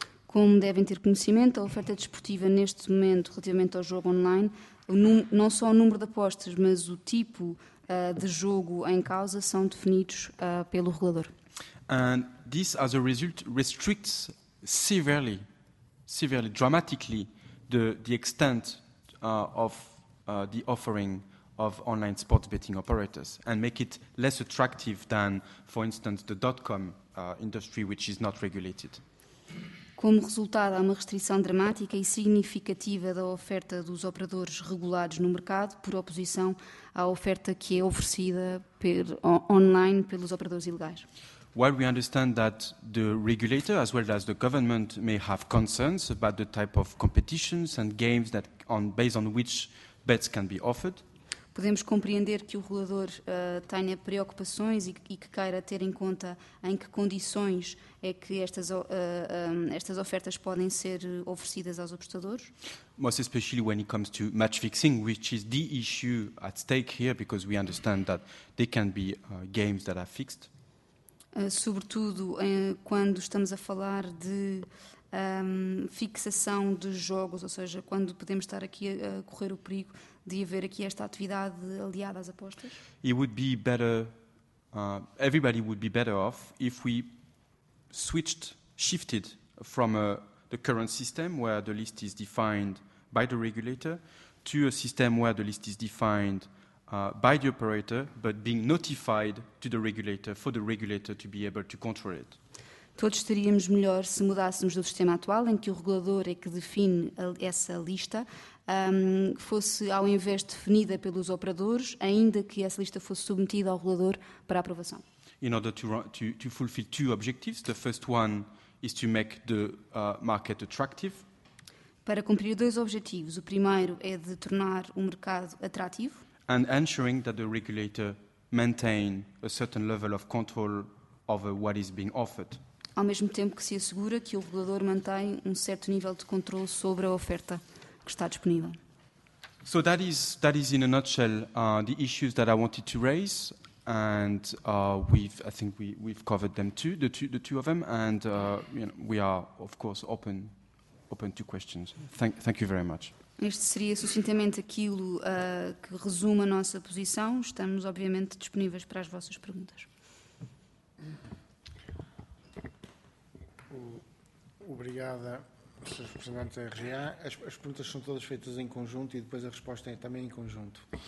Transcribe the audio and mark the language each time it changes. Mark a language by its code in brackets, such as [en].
[pt] Como devem ter conhecimento, a oferta desportiva neste momento, relativamente ao jogo online, não só o número de apostas, mas o tipo de jogo em causa são definidos pelo regulador. [en] And this, as a result, restricts severely, dramatically, the extent the offering of online sports betting operators and make it less attractive than, for instance, the dot-com industry, which is not regulated. [pt] Como resultado, há uma restrição dramática e significativa da oferta dos operadores regulados no mercado, por oposição à oferta que é oferecida online pelos operadores ilegais. [en] While we understand that the regulator, as well as the government, may have concerns about the type of competitions and games that, based on which bets can be offered, [pt] podemos compreender que o regulador tenha preocupações e que queira ter em conta em que condições é que estas ofertas podem ser oferecidas aos apostadores. [en] Most especially when it comes to match fixing, which is the issue at stake here, because we understand that there can be games that are fixed. [pt] Sobretudo quando estamos a falar de fixação de jogos, ou seja, quando podemos estar aqui a correr o perigo de haver aqui esta atividade aliada às apostas. [en] It would be better, everybody would be better off if we shifted from the current system where the list is defined by the regulator to a system where the list is defined by the operator, but being notified to the regulator for the regulator to be able to control it. [pt] Todos estaríamos melhor se mudássemos do sistema atual, em que o regulador é que define essa lista, fosse ao invés definida pelos operadores, ainda que essa lista fosse submetida ao regulador para aprovação. [en] In order to fulfill two objectives, the first one is to make the market attractive. [pt] Para cumprir dois objetivos, o primeiro é de tornar o mercado atrativo. [en] And ensuring that the regulator maintain a certain level of control over what is being offered. [pt] Ao mesmo tempo que se assegura que o regulador mantém certo nível de controle sobre a oferta que está disponível. [en] So that is in a nutshell the issues that I wanted to raise, and I think we've covered them too, the two of them, and we are of course open to questions. Thank you very much. [pt] Este seria sucintamente aquilo que resume a nossa posição. Estamos, obviamente, disponíveis para as vossas perguntas. Obrigada, Sr. Representante da RGA. As perguntas são todas feitas em conjunto e depois a resposta é também em conjunto.